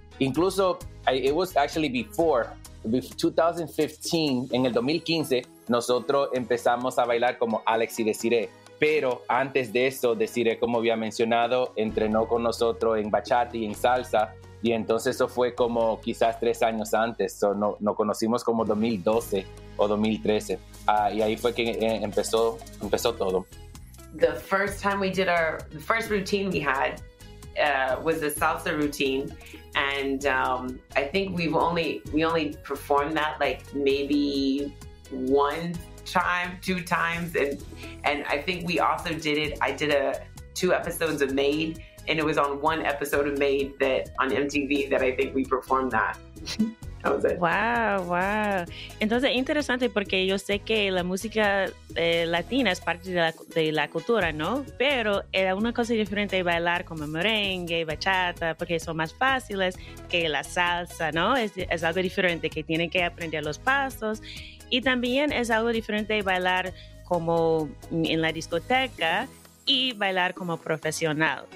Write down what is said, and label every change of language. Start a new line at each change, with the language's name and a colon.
Spanish: Incluso,
English: it was actually before,
Spanish: 2015, en el 2015, nosotros empezamos a bailar como Alex y Desiree. Pero antes de eso, Desiree, como había mencionado, entrenó con nosotros en bachata y en salsa. Y entonces eso fue como quizás 3 años antes, nos conocimos como 2012 o 2013. Y ahí fue que empezó todo.
English: The first time we did the first routine we had was a salsa routine. And I think we only performed that like maybe one time, two times. And I think we also did it, I did two episodes of Made. And it was on one episode of Made that on MTV that I think we performed that. That was it. Wow, wow.
Spanish: Entonces, interesante porque yo sé que la música latina es parte de la cultura, ¿no? Pero era una cosa diferente bailar como merengue, bachata, porque son más fáciles que la salsa, ¿no? Es algo diferente que tienen que aprender los pasos. Y también es algo diferente bailar como en la discoteca y bailar como profesional.